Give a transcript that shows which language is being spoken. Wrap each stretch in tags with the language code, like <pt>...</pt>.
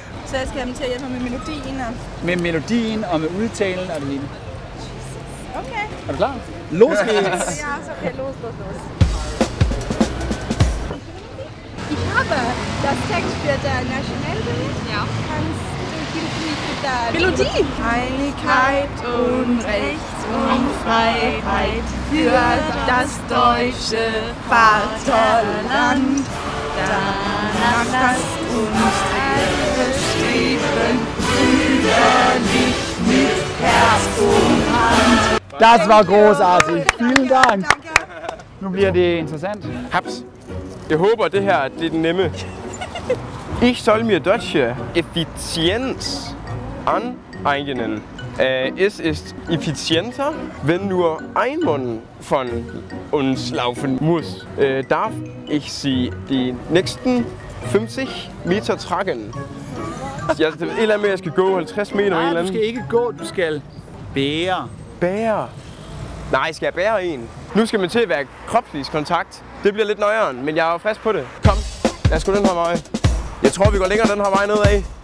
<da>Så jeg skal have dem til at hjælpe mig med melodien og... Med melodien og med udtalen og det hele. Okay. Er du klar?</da> <de>Los geht's!</de> <da>Ja, så okay.</da> <de>Los.</de> <da>Jeg har der tekst for der nationalbillet. Ja. Kan du ikke lide der... Melodi!</da> <de>Heiligkeit und Recht und Freiheit für das deutsche Vaterland. Danach lasst uns alle streben brüderlich mit Herz und Hand. Das war großartig. Vielen Dank.</de> <da>Nu bliver det interessant. Haps. Jeg håber, det her det er den nemme.</da> <de>Ich soll mir deutsche Effizienz aneignen. Es ist effizienter, wenn nur ein Mann von uns laufen muss. Darf ich sie die nächsten 50 Meter tragen?</de> <da>Ja, et eller andet med, jeg skal gå 50 meter. Nej, du skal ikke gå. Du skal bære. Bære? Nej, skal jeg bære en? Nu skal man til at være kropslig kontakt. Det bliver lidt nøjeren, men jeg er frisk på det. Kom, lad os gå den her vej. Jeg tror, vi går længere den her vej nedad.</da>